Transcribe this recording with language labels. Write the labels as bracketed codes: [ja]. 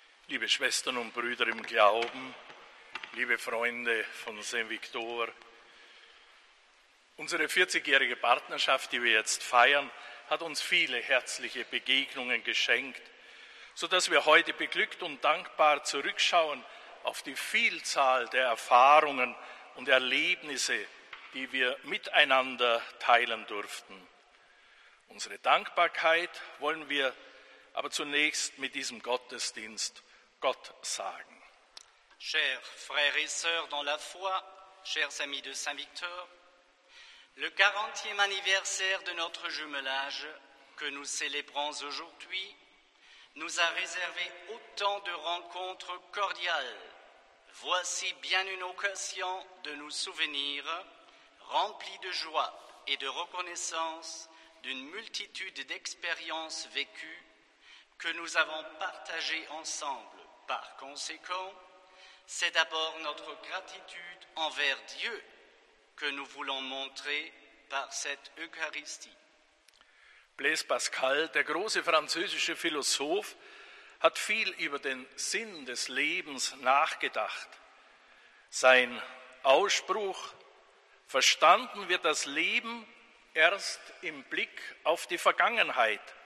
[de] Liebe Schwestern und Brüder im Glauben, liebe Freunde von Saint-Victor, unsere 40-jährige Partnerschaft, die wir jetzt feiern, hat uns viele herzliche Begegnungen geschenkt, sodass wir heute beglückt und dankbar zurückschauen auf die Vielzahl der Erfahrungen und Erlebnisse, die wir miteinander teilen durften. Unsere Dankbarkeit wollen wir aber zunächst mit diesem Gottesdienst Gott sagen. [fr] Chers frères et sœurs dans la foi, chers amis de Saint-Victor, le 40e anniversaire de notre jumelage que nous célébrons aujourd'hui nous a réservé autant de rencontres cordiales. Voici bien une occasion de nous souvenir, remplie de joie et de reconnaissance, d'une multitude d'expériences vécues que nous avons partagées ensemble. Par conséquent, c'est d'abord notre gratitude envers Dieu que nous voulons montrer par cette Eucharistie. [de] Blaise Pascal, der große französische Philosoph, hat viel über den Sinn des Lebens nachgedacht. Sein Ausspruch: Verstanden wird das Leben erst im Blick auf die Vergangenheit.